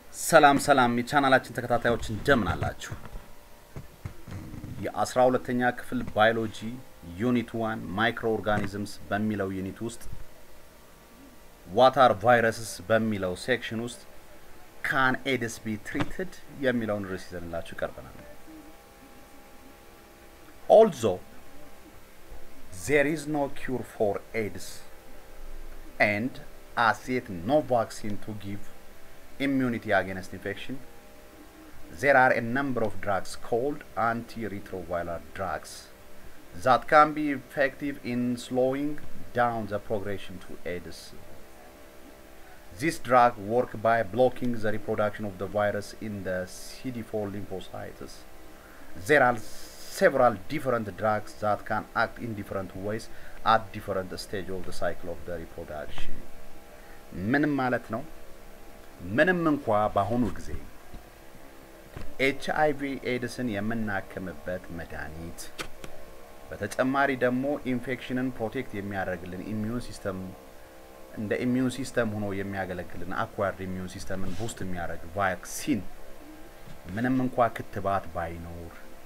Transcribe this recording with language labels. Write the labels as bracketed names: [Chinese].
[Amharic] ሰላም ሰላም የቻናላችን ተከታታዮች እንደምን አላችሁ? የ12ኛ ክፍል ባዮሎጂ ዩኒት 1 ማይክሮ ኦርጋኒዝምስ በሚለው ዩኒት ውስጥ [English] what are viruses [Amharic] በሚለው ሴክሽን ውስጥ [English] can AIDS be treated [Amharic] የሚለውን ርዕስ ይዘንላችሁ ቀርበናል። [English] Also there is no cure for AIDS and as yet no vaccine to give immunity against infection. There are a number of drugs called antiretroviral drugs that can be effective in slowing down the progression to AIDS. These drugs work by blocking the reproduction of the virus in the CD4 lymphocytes. There are several different drugs that can act in different ways at different stages of the cycle of the reproduction. [Amharic] ምንም ማለት ነው? ምንም እንኳ ባሁኑ ጊዜ HIV AIDS-ን የምናከምበት መድኃኒት በተጨማሪ ደግሞ ኢንፌክሽንን ፕሮቴክት የሚያደርግልን ኢሚዩን ሲስተም እንደ ኢሚዩን ሲስተም ሆኖ የሚያገለግልን አኳየርድ ኢሚዩን ሲስተምን ቡስት የሚያደርግ ቫክሲን ምንም እንኳ ክትባት ባይኖር